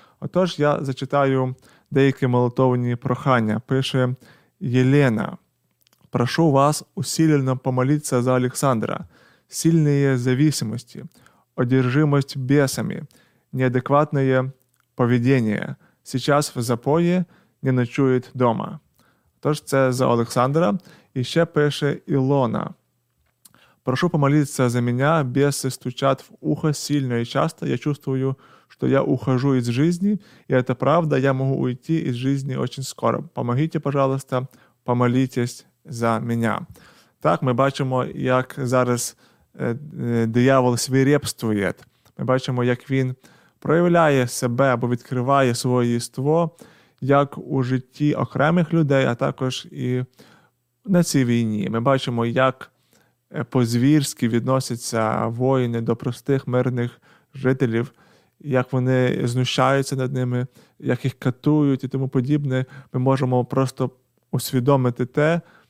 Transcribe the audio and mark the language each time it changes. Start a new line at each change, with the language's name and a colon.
Ukrainian: Отож, я зачитаю деякі молитовні прохання. Пише Єлена. Прошу вас усиленно помолитися за Олександра. Сильні зависимості, одержимость бесами, неадекватне поведення.
Russian: Сейчас в запої, не ночует дома.
Ukrainian: Тож це за Олександра. І ще пише Ілона. Прошу помолитися за мене.
Russian: Беси стучать в ухо сильно і часто. Я чувствую, что я ухожу из жизни, и это правда, я могу уйти из жизни очень скоро. Помогите, пожалуйста, помолитесь за меня.
Ukrainian: Так, мы бачимо, як зараз диявол свирепствує. Ми бачимо, як він проявляє себе або відкриває своє єство, як у житті окремих людей, а також і на цій війні. Ми бачимо, як по-звірськи відносяться воїни до простих мирних жителів, як вони знущаються над ними, як їх катують і тому подібне, ми можемо просто усвідомити те,